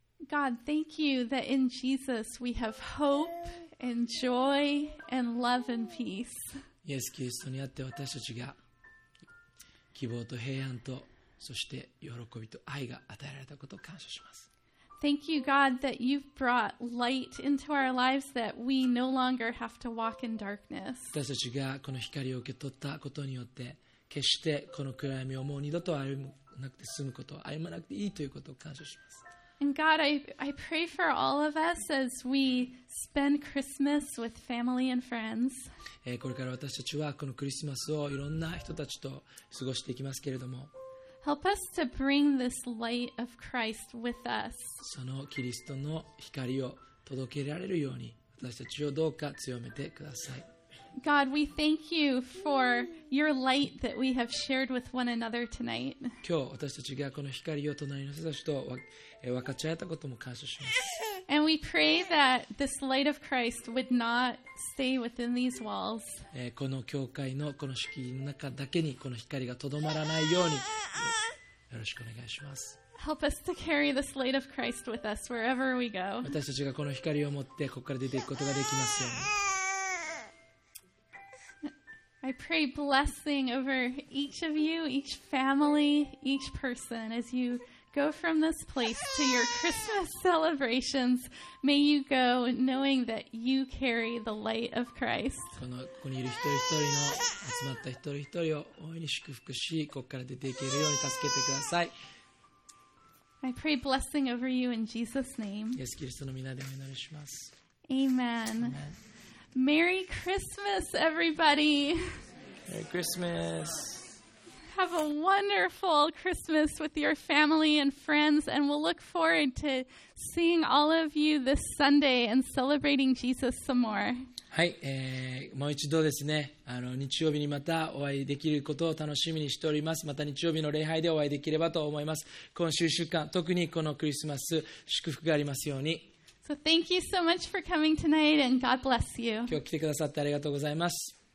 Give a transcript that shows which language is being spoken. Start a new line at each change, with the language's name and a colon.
English: God, thank you that in Jesus we have hope and joy and love and peace.
Japanese: イエス・キリストにあって私たちが希望と平安とそして喜びと愛が与えられたことを感謝します。
English: Thank you, God, that you've brought light into our lives that we no longer have to walk in darkness.
Japanese: 私たちがこの光を受け取ったことによって決してこの暗闇をもう二度と歩まなくて済むこと、歩まなくていいということを感謝します。
English: And God, I pray for all of us as we spend Christmas with family and friends.
Japanese: これから私たちはこのクリスマスをいろんな人たちと過ごしていきますけれども、
English: Help us to bring this light of Christ with us.
Japanese: そのキリストの光を届けられるように私たちをどうか強めてください。
English: God, we thank you for your light that we have shared with one another tonight.
Japanese: 今日私たちがこの光を隣の人たちと分かち合えたことも感謝します。
English: And we pray that this light of Christ would not stay within these walls.
Japanese: この教会のこの敷居の中だけにこの光がとどまらないようによろしくお願いします。
English: Help us to carry this light of Christ with us wherever we go.
Japanese: 私たちがこの光を持ってここから出ていくことができますように。
English: I pray blessing over each of you, each family, each person as you go from this place to your Christmas celebrations. May you go knowing that you carry the light of Christ.
Japanese: ここにいる一人一人の集まった一人一人を大いに祝福し、ここから出ていけるように助けてください。
English: I pray blessing over you in Jesus' name.
Japanese: イエス・キリストの皆でお祈りします。
English: Amen. Merry Christmas, everybody! Merry Christmas! Have a wonderful Christmas with your family and friends, and we'll look forward to seeing all of you this Sunday and celebrating Jesus some more.
Japanese: はい、もう一度ですね、日曜日にまたお会いできることを楽しみにしております。また日曜日の礼拝でお会いできればと思います。今週1週間、特にこのクリスマス、祝福がありますように。
English: So thank you so much for coming tonight and God bless you.
Japanese: 今日来てくださってありがとうございます。